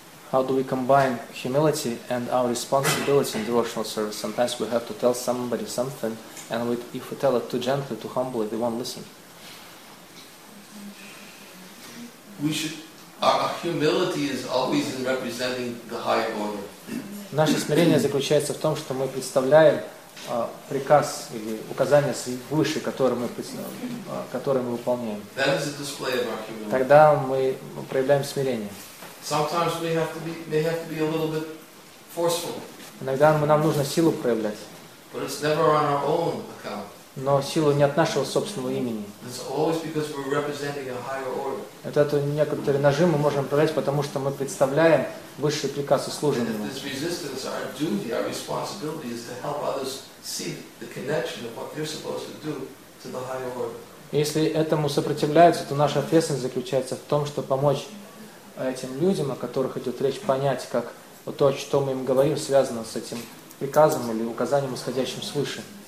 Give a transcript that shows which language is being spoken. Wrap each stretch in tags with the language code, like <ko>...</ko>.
<en>How do we combine humility and our responsibility in devotional service? Sometimes we have to tell somebody something, and if we tell it too gently, too humbly, they won't listen. We should. Our humility is always in representing the high order.</en> <ru>Наше смирение заключается в том, что мы представляем приказ или указание свыше, которое мы выполняем.</ru> <en>That is a display of our humility.</en> <ru>Тогда мы проявляем смирение.</ru> <en>Sometimes we may have to be a little bit forceful.</en> <ru>Иногда нам нужно силу проявлять.</ru> <en>But it's never on our own account.</en> <ru>Но силу не от нашего собственного имени.</ru> <en>It's always because we're representing a higher order.</en> <ru>Вот это некоторый нажим мы можем проявлять, потому что мы представляем высший приказ и служим ему.</ru> <en>This resistance, our duty, our responsibility is to help others see the connection of what they're supposed to do to the higher order.</en> <ru>Если этому сопротивляются, то наша ответственность заключается в том, чтобы помочь этим людям, о которых идет речь, понять, как то, что мы им говорим, связано с этим приказом или указанием, исходящим свыше.</ru>